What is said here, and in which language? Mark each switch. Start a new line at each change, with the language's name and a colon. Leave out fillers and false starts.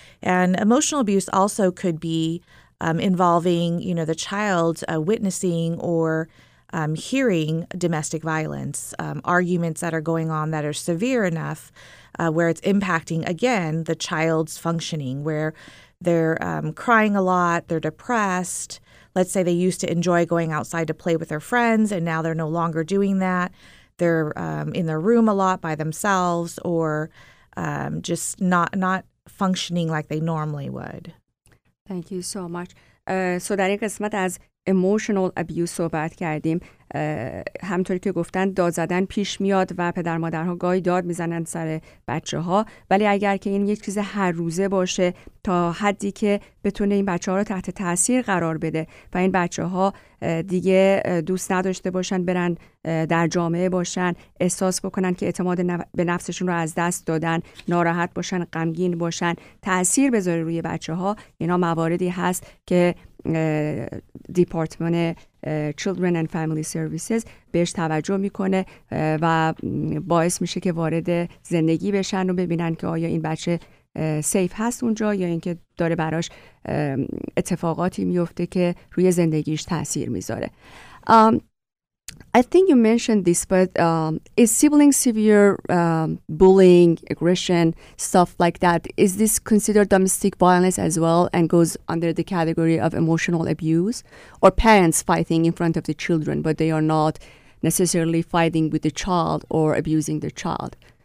English: And emotional abuse also could be involving, you know, the child witnessing or hearing domestic violence, arguments that are going on that are severe enough where it's impacting, again, the child's functioning, where they're crying a lot, they're depressed. Let's say they used to enjoy going outside to play with their friends, and now they're no longer doing that. They're in their room a lot by themselves, or just not functioning like they normally would. Thank you so much.
Persian: So در این قسمت از emotional abuse صحبت کردیم. همطوری که گفتن داد زدن پیش میاد و پدر مادرها گاهی داد میزنن سر بچه ها، ولی اگر که این یک چیز هر روزه باشه تا حدی که بتونه این بچه ها رو تحت تاثیر قرار بده و این بچه ها دیگه دوست نداشته باشن برن در جامعه باشن، احساس بکنن که اعتماد به نفسشون رو از دست دادن، ناراحت باشن، غمگین باشن، تاثیر بذاره روی بچه ها، اینا مواردی هست که دیپارتمان Children and Family Services بهش توجه میکنه و باعث میشه که وارد زندگی بشن و ببینن که آیا این بچه سیف هست اونجا یا اینکه داره براش اتفاقاتی میفته که روی زندگیش تأثیر میذاره.
English: I think you mentioned this, but is sibling severe bullying, aggression, stuff like that, is this considered domestic violence as well and goes under the category of emotional abuse? Or parents fighting in front of the children, but they are not necessarily fighting with the child or abusing the child?